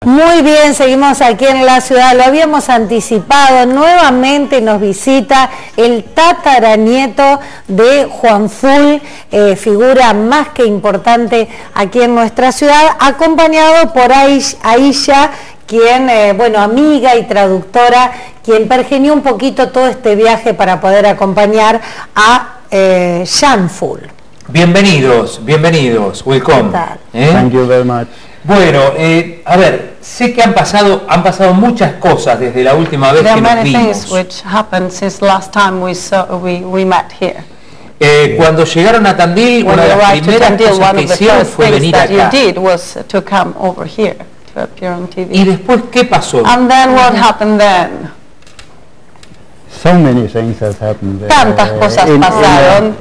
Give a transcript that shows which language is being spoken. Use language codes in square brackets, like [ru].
[es] Muy bien, seguimos aquí en la ciudad, lo habíamos anticipado, nuevamente nos visita el tataranieto de Juan Full, figura más que importante aquí en nuestra ciudad, acompañado por Aisha, quien, bueno, amiga y traductora, quien pergeñó un poquito todo este viaje para poder acompañar a Jan Full. Bienvenidos, bienvenidos, welcome. [en] Thank you very much. [es] Bueno, a ver, sé que han pasado muchas cosas desde la última vez que nos vimos. [en] Which happened since last time we met here. [es] Cuando llegaron a Tandil, una de las primeras cosas que hicieron fue venir acá. [en] You did was to come over here to appear on TV. [es] ¿Y después qué pasó? [en] And then what happened then? So many things have happened. [es] Tantas cosas pasaron.